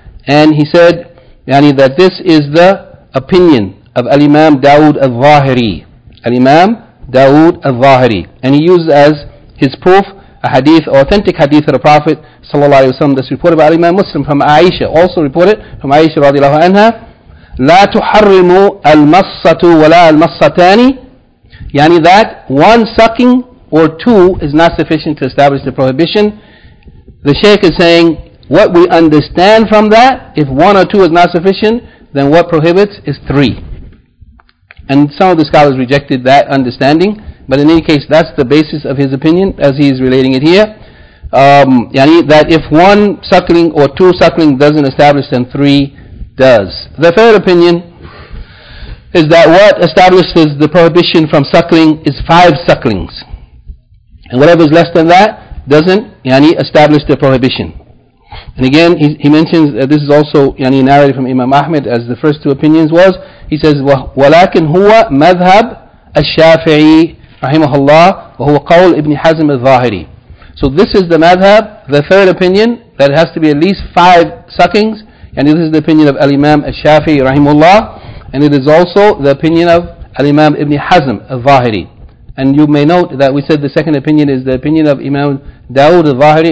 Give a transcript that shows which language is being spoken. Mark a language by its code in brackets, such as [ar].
[en] And he said, yani, that this is the opinion of Al-Imam Dawood Al-Zahiri. Al-Imam Dawood Al-Zahiri. And he used as his proof a hadith, authentic hadith of the Prophet Sallallahu Alaihi Wasallam, that's reported by Al-Imam Muslim from Aisha, also reported from Aisha radiallahu anha. [ar] لا تحرموا المصة ولا المصتان. [en] Yani, that one sucking or two is not sufficient to establish the prohibition. The Shaykh is saying, what we understand from that, if one or two is not sufficient, then what prohibits is three. And some of the scholars rejected that understanding, but in any case, that's the basis of his opinion as he is relating it here. Yani that if one suckling or two suckling doesn't establish, then three does. The third opinion is that what establishes the prohibition from suckling is five sucklings. And whatever is less than that doesn't, yani, establish the prohibition. And again, he mentions that this is also, yani, narrated from Imam Ahmed as the first two opinions was. He says, [ar] وَلَكِنْ هُوَ مَذْهَبْ الشَّافِعِي رَحِمَهُ اللَّهِ وَهُوَ قَوْلِ إِبْنِ حَزْمِ الظَّاهِرِي. [en] So this is the madhab, the third opinion, that it has to be at least five suckings. And this is the opinion of Al-Imam al-Shafi'i rahimullah. And it is also the opinion of Al-Imam ibn Hazm al-Zahiri. And you may note that we said the second opinion is the opinion of Imam Dawud al-Zahiri.